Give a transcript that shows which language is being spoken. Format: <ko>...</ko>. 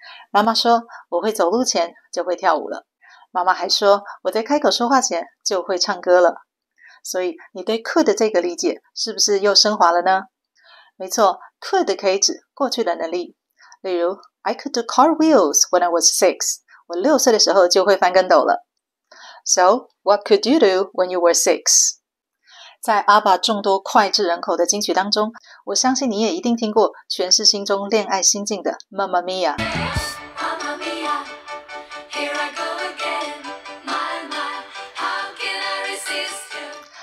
<zh>妈妈说我会走路前就会跳舞了。妈妈还说我在开口说话前就会唱歌了。所以你对 could 这个理解是不是又升华了呢？没错， could 可以指过去的能力。例如</zh> <en>I could do cartwheels when I was six.</en> <zh>我六岁的时候就会翻跟斗了。</zh> <en>So, what could you do when you were six?</en> <zh>在阿爸众多脍炙人口的金曲当中，我相信你也一定听过全是心中恋爱心境的 Mamma Mia。</zh> <en>Yeah, Mamma Mia, here I go again, my, how can I resist you?</en>